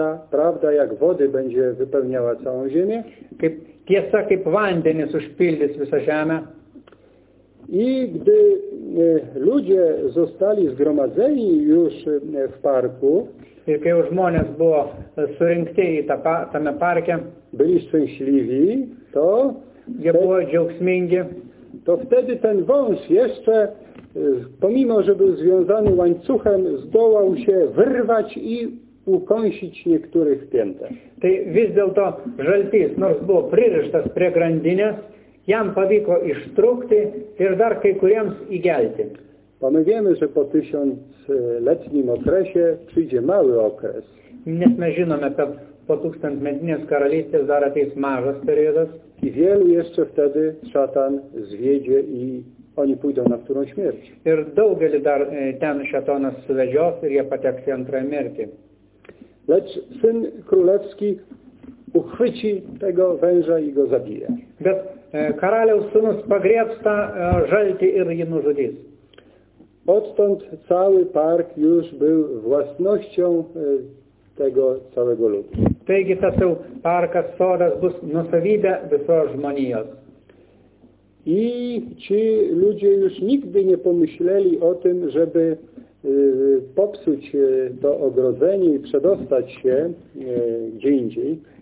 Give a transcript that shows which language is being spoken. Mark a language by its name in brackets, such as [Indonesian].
[Polish] Prawda jak wody będzie wypełniała całą ziemię. [Lithuanian] Tiesa kaip vandenis užpildys visą žemę. [Polish] I gdy ludzie zostali zgromadzeni już w parku. [Lithuanian] Ir kai už žmonės buvo surinkti į tame parke. [Polish] Byli szczęśliwi, to [Lithuanian] jie buvo džiaugsmingi. [Polish] To wtedy ten wąż jeszcze, pomimo że był związany łańcuchem, zdołał się wyrwać i ukąsić niektórych piętę. [Lithuanian] Tai vis dėlto žaltys, nors buvo pririštas prie grandinės, jam pavyko ištrūkti ir dar kai kuriems įgelti. [Polish] My wiemy, że po 1000-letnim okresie przyjdzie mały okres. [Lithuanian] Nes mes žinome, kad po 1000-metinės karalystės dar ateis mažas periodas. [Polish] I wielu jeszcze wtedy szatan zwiedzie i oni pójdą na którą śmierć. [Lithuanian] Ir daugelį dar ten šatonas suvedžios ir jie pateks į antrąją mirtį. [Polish] Lecz syn królewski uchwyci tego węża i go zabije. [Lithuanian] Bet karaliaus sūnus pagriebs tą žaltį ir jį nužudys. [Polish] Odtąd cały park już był własnością tego całego ludu. [Lithuanian] Taigi tas jau parkas, sodas bus nusavybė visos žmonijos. [Polish] I ci ludzie już nigdy nie pomyśleli o tym, żeby popsuć to ogrodzenie i przedostać się gdzie indziej.